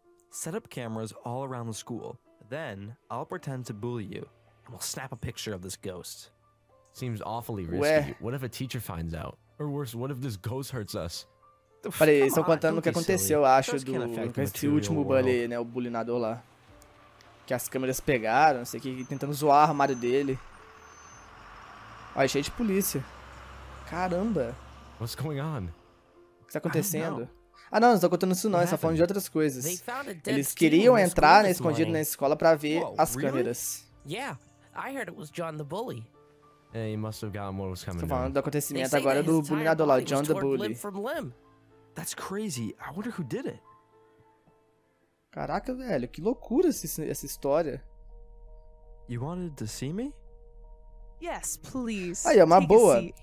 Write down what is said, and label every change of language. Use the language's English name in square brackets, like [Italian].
[English] Set up cameras all around the school. Then I'll pretend to bully you and we'll snap a picture of this ghost. Seems awfully risky. What if a teacher finds out? Or worse, what if this ghost hurts us? [Portuguese] Pera aí, estão contando o que aconteceu, acho, do esse último bully, né, o bulinador lá. Que as câmeras pegaram, não sei o que, tentando zoar o armário dele. Olha, cheio de polícia. Caramba. [English] What's going on? [Portuguese] O que tá acontecendo? Ah, não, não tô contando isso não, eles estão falando de outras coisas. Eles queriam entrar, né, escondido na escola pra ver as câmeras. [English] Yeah, I heard it was John the bully. Yeah, he must have gotten what was coming. [Portuguese] Tô falando do acontecimento agora do bulinador lá, [English] John the bully. That's crazy. I wonder who did it. [Portuguese] Caraca, velho, que loucura essa história. [English] You wanted to see me? Yes, please. [Portuguese] Aí, é uma boa.